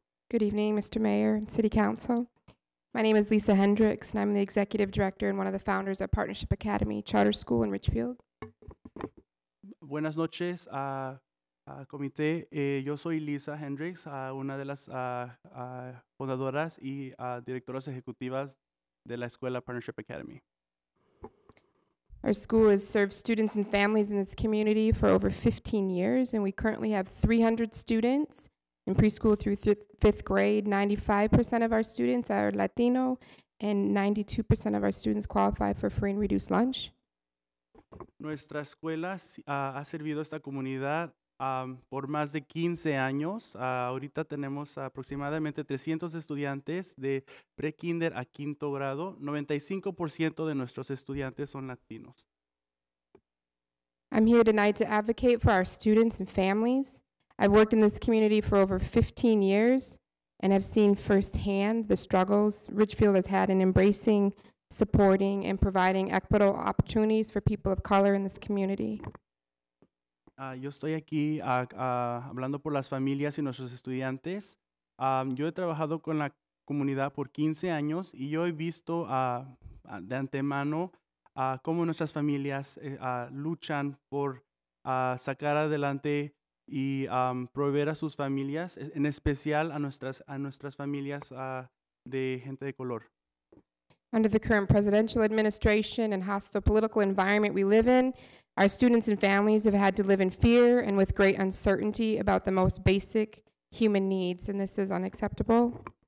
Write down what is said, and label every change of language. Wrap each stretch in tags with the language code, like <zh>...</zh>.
<en>Good evening, Mr. Mayor and City Council. My name is Lisa Hendricks, and I'm the Executive Director and one of the founders of Partnership Academy Charter School in Richfield.</en> <es>Buenas noches, comité. Yo soy Lisa Hendricks, una de las fundadoras y directoras ejecutivas de la escuela Partnership Academy.</es> <en>Our school has served students and families in this community for over 15 years, and we currently have 300 students in preschool through fifth grade. 95% of our students are Latino, and 92% of our students qualify for free and reduced lunch.</en> <es>Nuestra escuela ha servido a esta comunidad por más de 15 años. Ahorita tenemos aproximadamente 300 estudiantes de pre-kinder a quinto grado. 95% de nuestros estudiantes son latinos.</es> <en>I'm here tonight to advocate for our students and families. I've worked in this community for over 15 years and have seen firsthand the struggles Richfield has had in embracing, supporting, and providing equitable opportunities for people of color in this community.</en> <es>Yo estoy aquí hablando por las familias y nuestros estudiantes. Yo he trabajado con la comunidad por 15 años, y yo he visto de antemano cómo nuestras familias luchan por sacar adelante y proveer a sus familias, en especial a nuestras familias de gente de color.</es> <en>Under the current presidential administration and hostile political environment we live in, our students and families have had to live in fear and with great uncertainty about the most basic human needs, and this is unacceptable.</en>